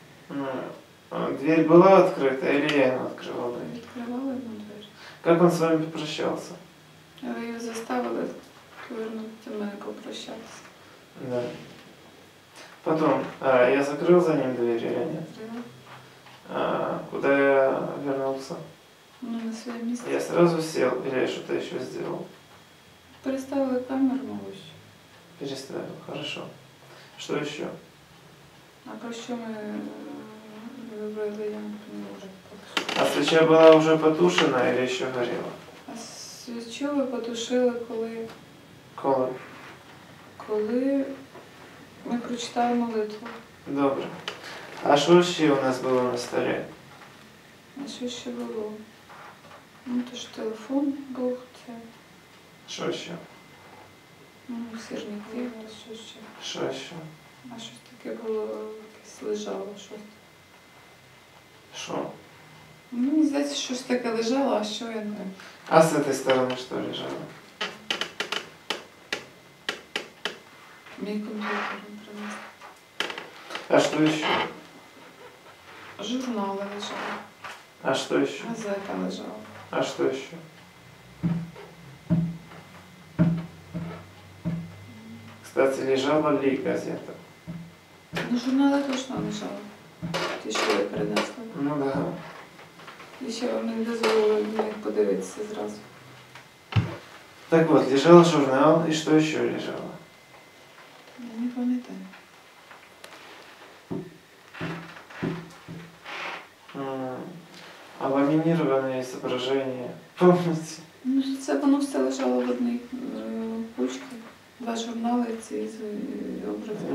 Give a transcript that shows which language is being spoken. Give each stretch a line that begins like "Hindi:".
Ukrainian: Ну, дверь була відкрита, або я його відкривала? Відкривала йому дверь.
Russian: Как он с вами попрощался? Вы ее заставили повернуть темненько прощаться. Да. Потом, я закрыл за ним дверь или нет? Да. Куда я вернулся? Ну, на свое место. Я сразу сел или я что-то еще сделал? Переставила камеру, малыш. Переставил, хорошо. Что еще? А про что мы выбрали, я не понимаю уже.
Ukrainian: А свеча була вже потушена чи ще горіла? А свечу ви потушили, коли? Коли? Коли ми прочитали молитву. Добре. А що ще у нас було на столі? А що ще було? Ну, то ж телефон був. Що ще? Ну, сірники, але що ще? Що ще? А щось таке було, якесь лежало, щось. Що? Ну, не знаю, щось таке лежало, а що я не... А з цієї сторони що лежало? Мій комп'ютер не принесли. А що ще?
Russian: журнал лежал. А что еще? Газета лежала. А что еще? Кстати, лежала ли газета? Ну, журналы точно лежала. Ты еще ее принесла. Ну да.
Ukrainian: Еще вам не дозволили на них подивитися сразу.
Russian: Так вот, лежал журнал, и что еще лежало? Я не помню. А ламинированные изображения, помните? Ну, это оно все лежало в одной кучке. Два журнала и эти образы.